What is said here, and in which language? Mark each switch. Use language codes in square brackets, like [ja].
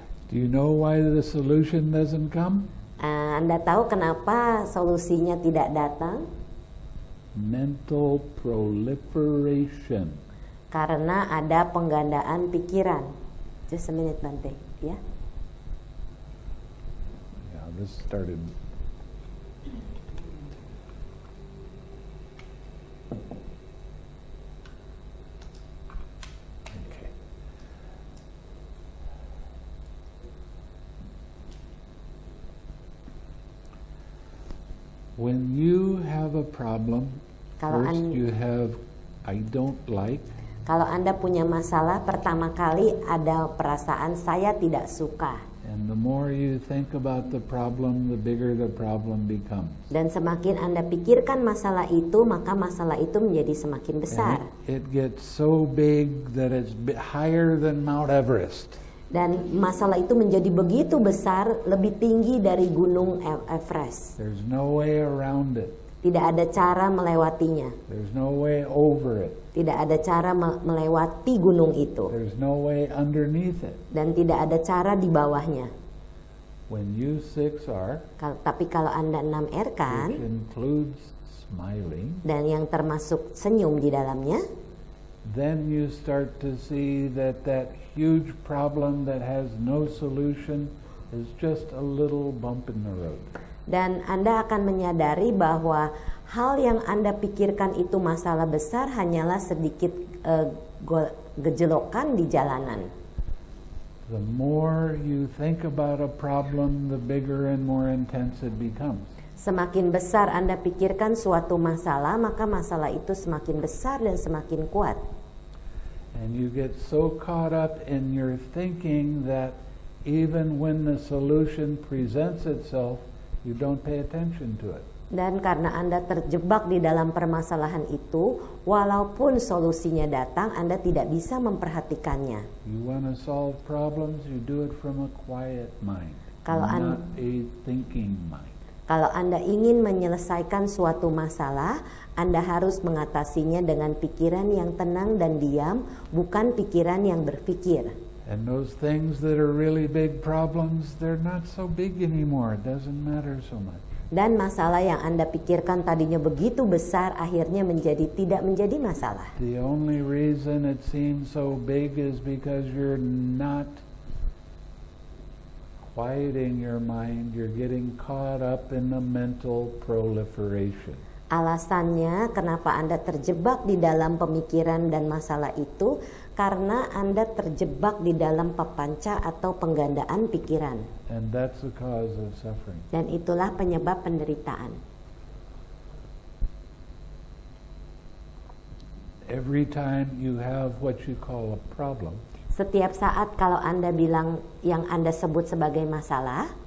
[en] Do you know why the solution doesn't come? [id] Anda tahu kenapa solusinya tidak datang? [en] Mental proliferation. [id] Karena ada penggandaan pikiran. [en] Just a minute, Bante. [id] Ya. [en] Yeah, this started. When you have a problem, [id] kalau [en] first you have I don't like. [id] Kalau Anda punya masalah, pertama kali ada perasaan saya tidak suka. [en] And the more you think about the problem, the bigger the problem becomes. [id] Dan semakin Anda pikirkan masalah itu, maka masalah itu menjadi semakin besar. [en] It gets so big that it's higher than Mount Everest. [id] Dan masalah itu menjadi begitu besar, lebih tinggi dari Gunung Everest. [en] There's no way around it. [id] Tidak ada cara melewatinya. [en] There's no way over it. [id] Tidak ada cara melewati gunung itu. [en] There's no way underneath it. [id] Dan tidak ada cara di bawahnya. [en] When you 6R, [id] tapi kalau Anda 6R kan, [en] which includes smiling, [id] dan yang termasuk senyum di dalamnya, [en] then you start to see that that huge problem that has no solution is just a little bump in the road. [id] Dan Anda akan menyadari bahwa hal yang Anda pikirkan itu masalah besar hanyalah sedikit gejolokan di jalanan. [en] The more you think about a problem, the bigger and more intense it becomes. [id] Semakin besar Anda pikirkan suatu masalah, maka masalah itu semakin besar dan semakin kuat. [en] And you get so caught up in your thinking that even when the solution presents itself, you don't pay attention to it. [id] Dan karena Anda terjebak di dalam permasalahan itu, walaupun solusinya datang, Anda tidak bisa memperhatikannya. [en] You want to solve problems, you do it from a quiet mind, not a thinking mind. [id] Kalau Anda ingin menyelesaikan suatu masalah, Anda harus mengatasinya dengan pikiran yang tenang dan diam, bukan pikiran yang berpikir. [en] And those things that are really big problems, they're not so big anymore. It doesn't matter so much. [id] Dan masalah yang Anda pikirkan tadinya begitu besar, akhirnya menjadi tidak menjadi masalah. [en] The only reason it seems so big is because you're not quieting your mind, you're getting caught up in the mental proliferation. [id] Alasannya kenapa Anda terjebak di dalam pemikiran dan masalah itu karena Anda terjebak di dalam papanca atau penggandaan pikiran. [en] And that's the cause of suffering. [id] Dan itulah penyebab penderitaan. [en] Every time you have what you call a problem, [id] setiap saat kalau Anda bilang yang Anda sebut sebagai masalah,